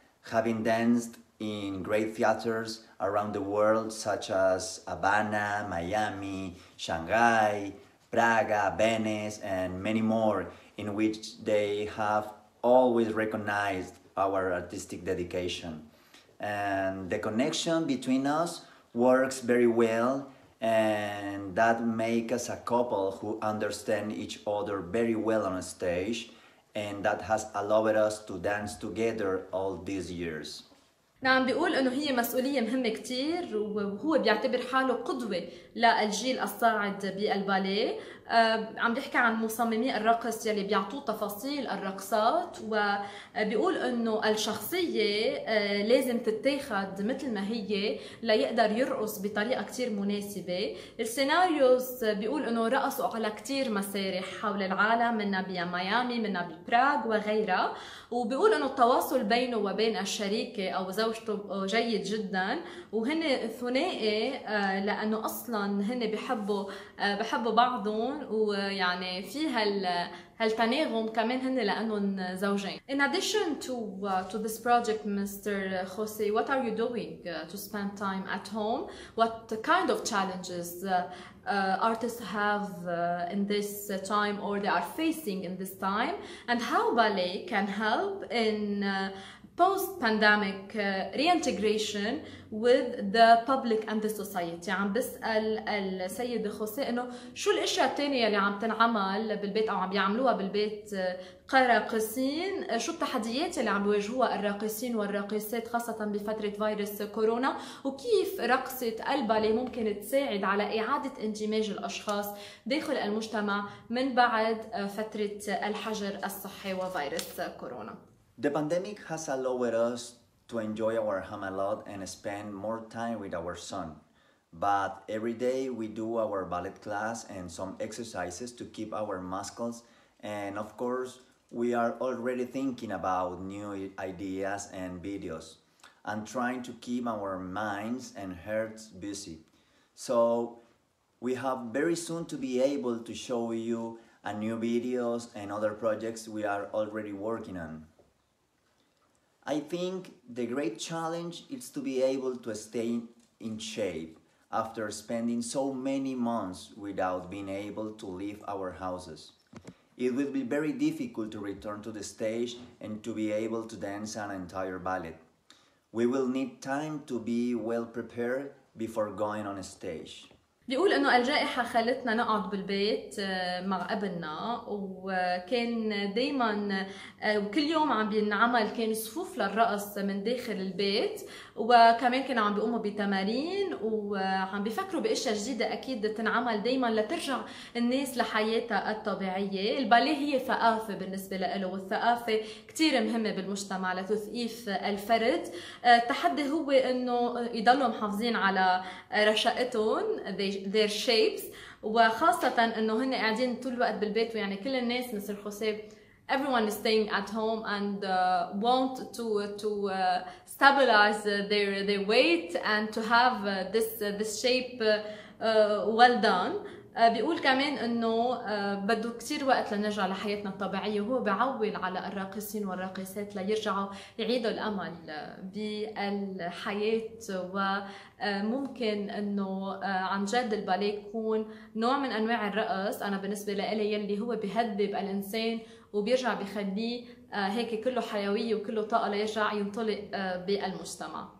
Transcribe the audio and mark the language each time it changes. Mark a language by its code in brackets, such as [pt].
[en] Having danced in great theaters around the world such as Havana, Miami, Shanghai, Praga, Venice and many more, in which they have always recognized our artistic dedication. And the connection between us works very well, and that makes us a couple who understand each other very well on stage, and that has allowed us to dance together all these years. [ar] نعم، بيقول انه هي مسؤولية مهمة كتير وهو بيعتبر حاله قدوة للجيل الصاعد بالباليه. عم بيحكي عن مصممي الرقص يلي بيعطوه تفاصيل الرقصات، وبيقول انه الشخصية لازم تتاخد مثل ما هي ليقدر يرقص بطريقة كتير مناسبة. السيناريوز بيقول انه رقصوا على كتير مسارح حول العالم، منها بميامي، منها ببراغ وغيرها، وبيقول انه التواصل بينه وبين الشريكة او زوجته جيد جدا، وهن ثنائي لانه اصلا هن بحبوا بعضهم، ويعني في هالتناغم كمان هن لانهم زوجين. [en] In addition to this project, Mr. Jose, what are you doing to spend time at home? What kind of challenges artists have in this time or they are facing in this time, and how ballet can help in post-pandemic reintegration with the public and the society. [ar] عم بسأل السيد خوسي إنه شو الأشياء التانية اللي عم تنعمل بالبيت أو عم بيعملوها بالبيت كراقصين، شو التحديات اللي عم بيواجهوها الراقصين والراقصات خاصة بفترة فيروس كورونا، وكيف رقصة الباليه ممكن تساعد على إعادة اندماج الأشخاص داخل المجتمع من بعد فترة الحجر الصحي وفيروس كورونا. [en] The pandemic has allowed us to enjoy our home a lot and spend more time with our son. But every day we do our ballet class and some exercises to keep our muscles. And of course, we are already thinking about new ideas and videos and trying to keep our minds and hearts busy. So we have very soon to be able to show you a new videos and other projects we are already working on. I think the great challenge is to be able to stay in shape after spending so many months without being able to leave our houses. It will be very difficult to return to the stage and to be able to dance an entire ballet. We will need time to be well prepared before going on stage. [ar] بيقول إنه الجائحة خلتنا نقعد بالبيت مع ابننا، وكان دايما وكل يوم عم بينعمل كان صفوف للرقص من داخل البيت، وكمان كانوا عم بيقوموا بتمارين وعم بيفكروا بأشياء جديدة أكيد تنعمل دايما لترجع الناس لحياتها الطبيعية. الباليه هي ثقافة بالنسبة له، والثقافة كتير مهمة بالمجتمع لتثقيف الفرد. التحدي هو إنه يضلوا محافظين على رشاقتهم [en] their shapes، [ar] وخاصة إنه هن قاعدين طول الوقت بالبيت، ويعني كل الناس مثل خوسيه [en] everyone is staying at home and want to stabilize their weight and to have this shape well done. [ar] بيقول كمان إنه بده كتير وقت لنرجع لحياتنا الطبيعية، وهو بعول على الراقصين والراقصات ليرجعوا يعيدوا الأمل بالحياة، وممكن إنه عن جد الباليه يكون نوع من أنواع الرقص أنا بالنسبة لإلي يلي هو بيهذب الإنسان وبيرجع بيخليه هيك كله حيوية وكله طاقة ليرجع ينطلق بالمجتمع.